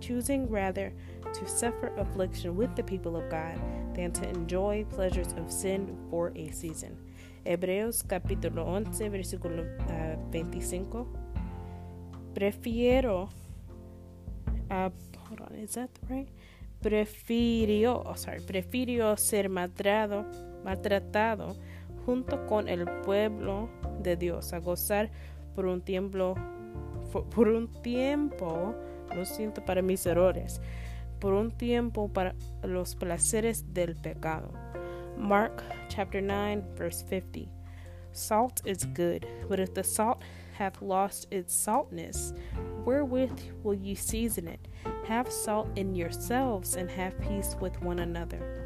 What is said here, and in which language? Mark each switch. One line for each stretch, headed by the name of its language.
English: Choosing rather to suffer affliction with the people of God than to enjoy pleasures of sin for a season.
Spanish: Hebreos capítulo 11, versículo 25. Prefiero,
English: hold on, is that right?
Spanish: Prefiero ser maltratado junto con el pueblo de Dios a gozar por un tiempo, lo siento para mis errores, por un tiempo para los placeres del pecado.
English: Mark chapter 9, verse 50. Salt is good, but if the salt hath lost its saltness, wherewith will ye season it? Have salt in yourselves, and have peace with one another.